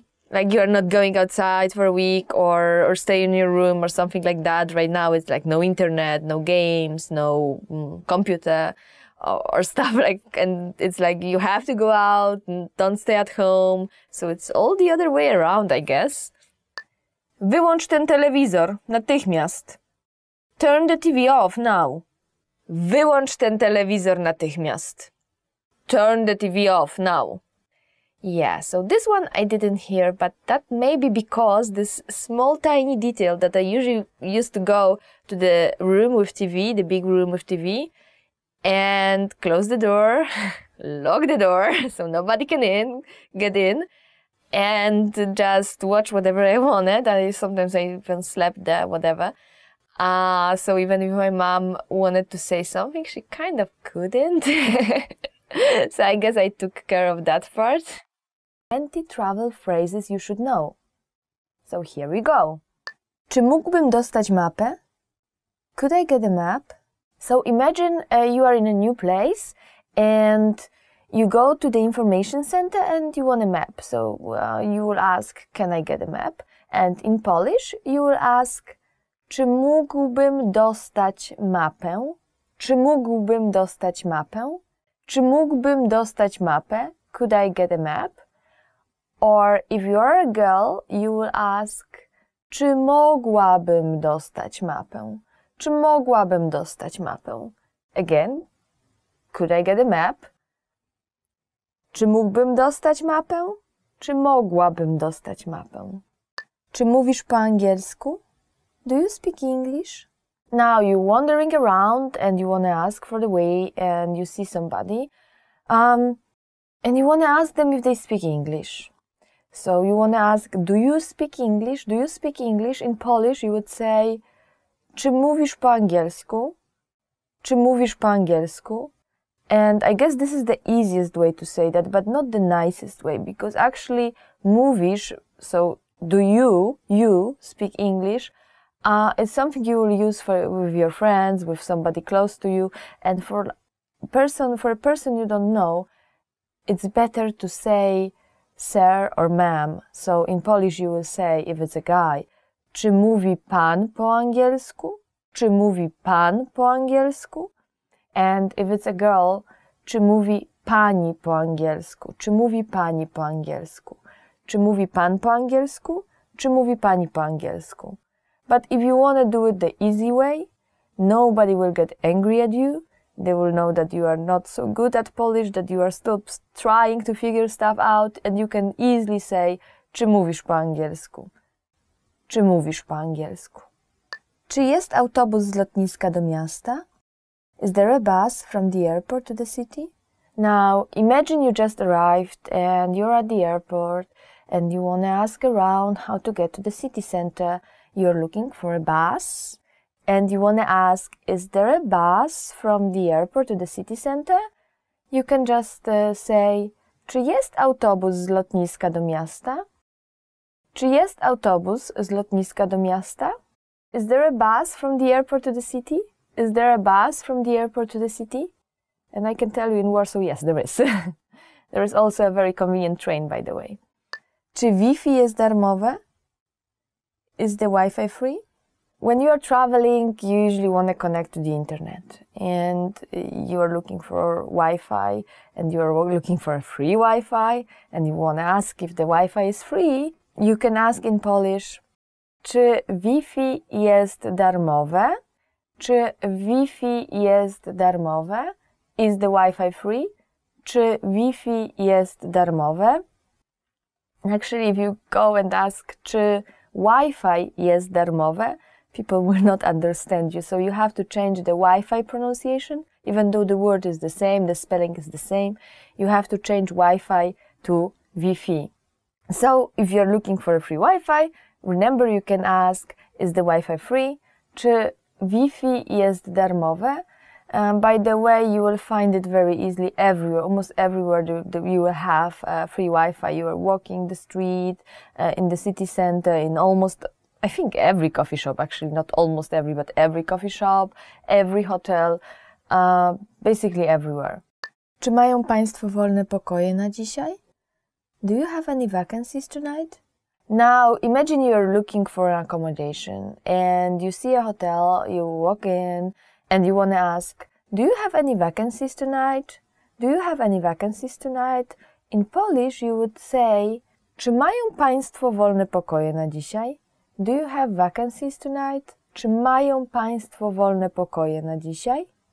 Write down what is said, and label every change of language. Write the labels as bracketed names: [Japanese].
[English] Like, you are not going outside for a week or stay in your room or something like that. Right now, it's like no internet, no games, no computer or stuff. And it's like you have to go out and don't stay at home. So it's all the other way around, I guess. [Polish] Wyłącz ten telewizor natychmiast. [English] Turn the TV off now. [Polish] Wyłącz ten telewizor natychmiast. [English] Turn the TV off now. Yeah, so this one I didn't hear, but that may be because this small tiny detail that I usually used to go to the room with TV, the big room with TV, and close the door, lock the door so nobody can get in, and just watch whatever I wanted. Sometimes I even slept there, whatever. So even if my mom wanted to say something, she kind of couldn't. So I guess I took care of that part. 20 travel phrases you should know. So here we go. [Polish] Czy mógłbym dostać mapę? [English] Could I get a map? So imagine you are in a new place and you go to the information center and you want a map. So you will ask, can I get a map? And in Polish, you will ask, [Polish] czy mógłbym dostać mapę? Czy mógłbym dostać mapę? Czy mógłbym dostać mapę? [English] Could I get a map? Or if you are a girl, you will ask, [Polish] czy mogłabym dostać mapę? Czy mogłabym dostać mapę? [English] Again, could I get a map? [Polish] Czy mógłbym dostać mapę? Czy mogłabym dostać mapę? Czy mówisz po angielsku? [English] Do you speak English? Now you're wandering around and you want to ask for the way and you see somebody. And you want to ask them if they speak English. So you want to ask, do you speak English? Do you speak English? In Polish you would say, [Polish] czy mówisz po angielsku? Czy mówisz po angielsku? [English] And I guess this is the easiest way to say that, but not the nicest way, because actually mówisz, so do you speak English? It's something you will use with your friends, with somebody close to you, and for a person you don't know, it's better to say sir or ma'am. So in Polish you will say, if it's a guy, [Polish] czy mówi pan po angielsku? Czy mówi pan po angielsku? [English] And if it's a girl, [Polish] czy mówi pani po angielsku? Czy mówi pani po angielsku? Czy mówi pan po angielsku? Czy mówi pani po angielsku? [English] But if you want to do it the easy way, nobody will get angry at you. They will know that you are not so good at Polish, that you are still trying to figure stuff out, and you can easily say, [Polish] czy mówisz po angielsku? Czy mówisz po angielsku? Czy jest autobus z lotniska do miasta? [English] Is there a bus from the airport to the city? Now, imagine you just arrived and you're at the airport and you want to ask around how to get to the city center. you're looking for a bus and you want to ask, is there a bus from the airport to the city center? You can just say, [Polish] czy jest autobus z lotniska do miasta? Czy jest autobus z lotniska do miasta? [English] Is there a bus from the airport to the city? Is there a bus from the airport to the city? And I can tell you in Warsaw, yes, there is. There is also a very convenient train, by the way. [Polish] Czy Wi-Fi jest darmowe? [English] Is the Wi-Fi free? When you are traveling, you usually want to connect to the internet. And you are looking for Wi-Fi, and you are looking for a free Wi-Fi, and you want to ask if the Wi-Fi is free. You can ask in Polish, [Polish] czy Wi-Fi jest darmowe? Czy Wi-Fi jest darmowe? [English] Is the Wi-Fi free? [Polish] Czy Wi-Fi jest darmowe? [English] Actually, if you go and ask, [Polish] czy Wi-Fi jest darmowe, [English] people will not understand you. So you have to change the Wi-Fi pronunciation, even though the word is the same, the spelling is the same. You have to change Wi-Fi to Wi-Fi. So if you're looking for a free Wi-Fi, remember you can ask, is the Wi-Fi free? [Polish] Czy Wi-Fi jest darmowe? [English] By the way, you will find it very easily everywhere, almost everywhere you will have free Wi-Fi. You are walking the street, in the city center, in almost, I think, every coffee shop, actually, not almost every, but every coffee shop, every hotel, basically everywhere. [Polish] Czy mają Państwo wolne pokoje na dzisiaj? [English] Do you have any vacancies tonight? Now, imagine you're looking for an accommodation and you see a hotel, you walk in, and you want to ask, do you have any vacancies tonight? Do you have any vacancies tonight? In Polish, you would say, [Polish] czy mają Państwo wolne pokoje na dzisiaj? [English] Do you have vacancies tonight? [Polish] Czy mają Państwo wolne pokoje na dzisiaj?